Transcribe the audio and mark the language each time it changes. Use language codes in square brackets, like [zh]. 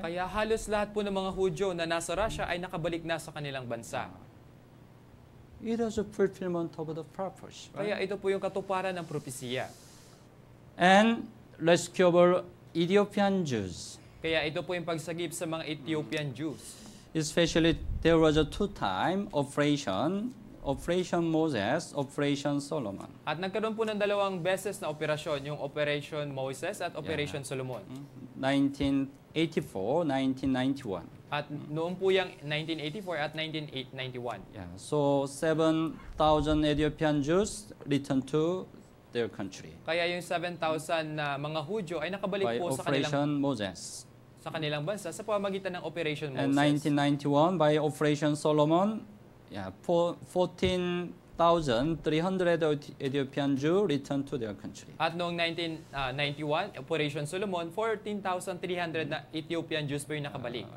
[tl] Kaya halos lahat po ng mga Hudyo na nasa Russia ay nakabalik na sa kanilang bansa. [en] It was a fulfillment of the prophecy, right? [tl] Kaya ito po yung katuparan ng propesya. [en] And rescuable Ethiopian Jews. [tl] Kaya ito po yung pagsagip sa mga Ethiopian Jews. [en] Especially, there was a two-time operation, Operation Moses, Operation Solomon. [tl] At nagkaroon po ng dalawang beses na operasyon, yung Operation Moses at Operation Solomon. [en] 1984-1991. [tl] At noon po yung 1984 at 1991. [en] Yeah. So, 7,000 Ethiopian Jews returned to their country. [tl] Kaya yung 7,000 na mga Hudyo ay nakabalik po sa [en] Operation [tl] kanilang... [en] Moses. [tl] Sa kanilang bansa, sa pamamagitan ng Operation Moses. [en] And 1991, by Operation Solomon, yeah, 14,300 Ethiopian Jews returned to their country. [tl] At noong 1991, Operation Solomon, 14,300 na Ethiopian Jews po yung nakabalik.